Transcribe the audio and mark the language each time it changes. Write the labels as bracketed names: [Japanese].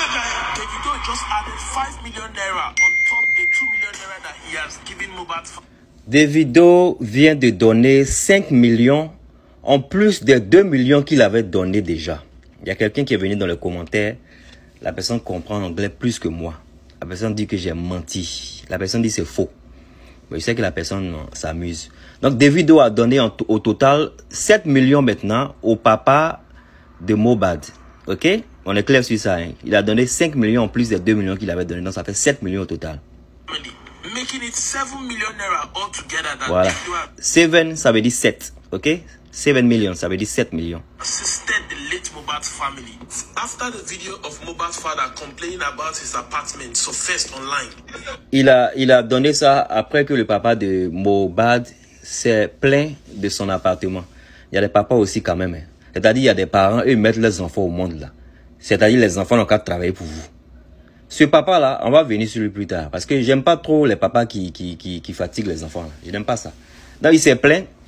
[English] Davido just added 5 million naira on top of the 2 million naira that he has given Mobad. [French] Davido vient de donner 5 millions en plus des 2 millions qu'il avait donné déjà. Il y a quelqu'un qui est venu dans les commentaires. La personne comprend l'anglais plus que moi. La personne dit que j'ai menti. La personne dit que c'est faux. Mais je sais que la personne s'amuse. Donc Davido a donné au total 7 millions maintenant au papa de Mobad. Ok? On est clair sur ça. Hein? Il a donné 5 millions en plus des 2 millions qu'il avait donné. Donc ça fait 7 millions au total. [English] Making it 7 million naira altogether that [French] voilà. 7, ça veut dire 7. Ok? 7 millions, ça veut dire 7 millions. [English] Assisted the late Mobad family. After the video of Mobad's father complaining about his apartment, so first online. [French] Il a donné ça après que le papa de Mobad s'est plaint de son appartement. Il y a des papas aussi quand même. Hein? C'est-à-dire, il y a des parents, eux, ils mettent leurs enfants au monde, là. C'est-à-dire, les enfants n'ont qu'à travailler pour vous. Ce papa-là, on va venir sur lui plus tard. Parce que j'aime pas trop les papas qui fatiguent les enfants, là. Je n'aime pas ça. Donc, il s'est plaint.